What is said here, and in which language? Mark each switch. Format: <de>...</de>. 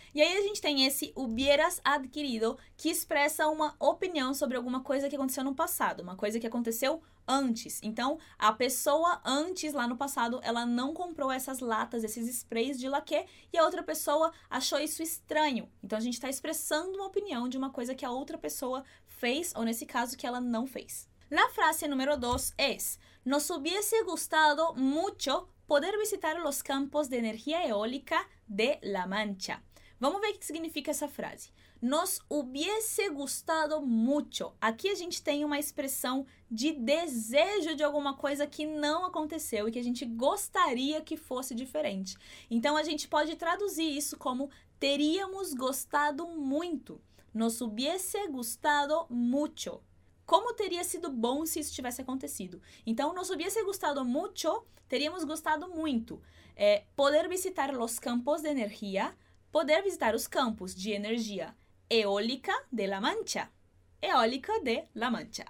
<pt>E aí a gente tem esse</pt> <es>hubieras adquirido,</es> <pt>que expressa uma opinião sobre alguma coisa que aconteceu no passado, uma coisa que aconteceu antes. Então, a pessoa antes, lá no passado, ela não comprou essas latas, esses sprays de laque, e a outra pessoa achou isso estranho. Então, a gente está expressando uma opinião de uma coisa que a outra pessoa fez, ou nesse caso, que ela não fez.</pt> <es>La frase número 2 es, nos hubiese gustado mucho poder visitar los campos de energía eólica de La Mancha.</es> <pt>Vamos ver o que significa essa frase.</pt> <es>Nos hubiese gustado mucho.</es> <pt>Aqui a gente tem uma expressão de desejo de alguma coisa que não aconteceu e que a gente gostaria que fosse diferente. Então, a gente pode traduzir isso como teríamos gostado muito.</pt> <es>Nos hubiese gustado mucho.</es> <pt>Como teria sido bom se isso tivesse acontecido? Então,</pt> <es>nos hubiese gustado mucho,</es> <pt>teríamos gostado muito. É, poder visitar</pt> <es>los campos de energía,</es> <pt>poder visitar os campos de energia eólica de La Mancha. Eólica de La Mancha.</pt>